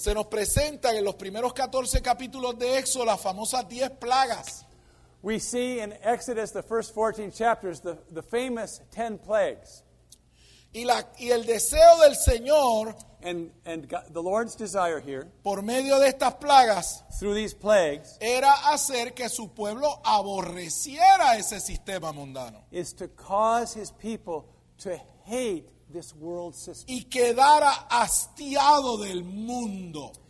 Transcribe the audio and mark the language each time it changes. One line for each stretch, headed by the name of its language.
Spanish: se nos presenta en los primeros 14 capítulos de Éxodo las famosas 10 plagas.
English: We see in Exodus the first 14 chapters the famous 10 plagues.
Spanish: y el deseo del Señor
English: and God, the Lord's desire here,
Spanish: por medio de estas plagas,
English: through these plagues,
Spanish: era hacer que su pueblo aborreciera ese sistema mundano.
English: Is to cause his people to hate this world system.
Spanish: Y quedara hastiado del mundo.